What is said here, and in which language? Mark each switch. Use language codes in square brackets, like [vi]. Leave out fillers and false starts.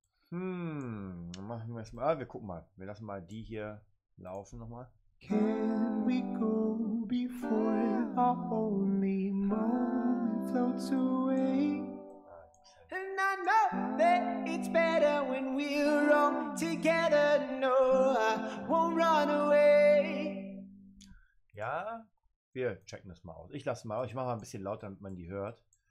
[de] Machen wir es mal. Wir gucken mal. Wir lassen mal die hier laufen nochmal. [en] Can we go before our only moment floats away? And I know that it's better when we're all together. No, I won't run away. [de] Ja, wir checken das mal aus. Ich lasse mal. Ich mache mal ein bisschen lauter, damit man die hört.